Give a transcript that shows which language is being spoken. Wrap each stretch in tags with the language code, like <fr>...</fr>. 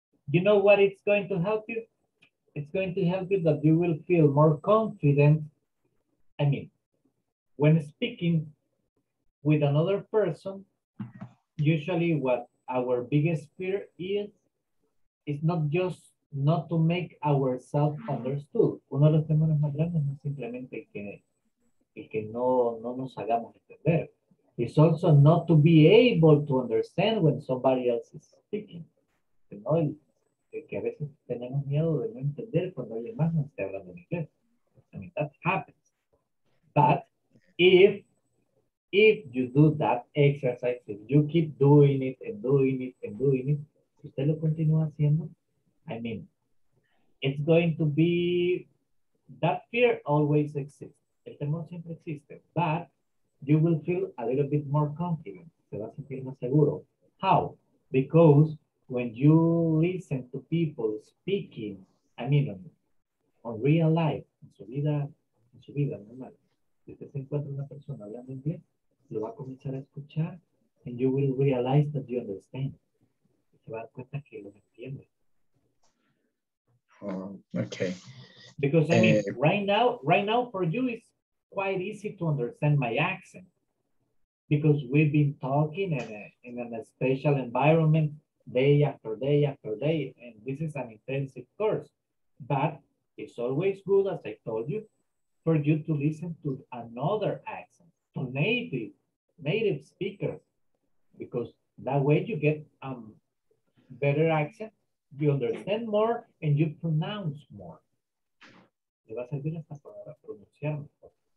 <en>You know what it's going to help you? It's going to help you that you will feel more confident. I mean, when speaking with another person, usually what our biggest fear is not just not to make ourselves understood.</en> <es>Uno de los temores más grandes no es simplemente el que no nos hagamos entender,</es> <en>It's also not to be able to understand when somebody else is speaking. You know,</en> <es>que a veces tenemos miedo de no entender cuando alguien más no está hablando en inglés.</es> <en>I mean, that happens. But if you do that exercise, if you keep doing it and doing it and doing it,</en> <es>si usted lo continúa haciendo,</es> <en>I mean, it's going to be, that fear always exists.</en> <es>El temor siempre existe,</es> <en>but you will feel a little bit more confident.</en> <es>Se va a sentir más seguro.</es> <en>How? Because when you listen to people speaking, I mean, on real life,</en> <es>en su vida normal, si usted se encuentra una persona hablando inglés, lo va a comenzar a escuchar,</es> <en>and you will realize that you understand.</en> <es>Se va a dar cuenta que lo entiende.</es> <en>Okay. Because, I mean, right now for you, it's quite easy to understand my accent. Because we've been talking in a special environment day after day after day. And this is an intensive course. But it's always good, as I told you, for you to listen to another accent, to native speakers. Because that way you get a better accent, you understand more, and you pronounce more.</en> <es>Le va a servir hasta para pronunciar mejor.</es>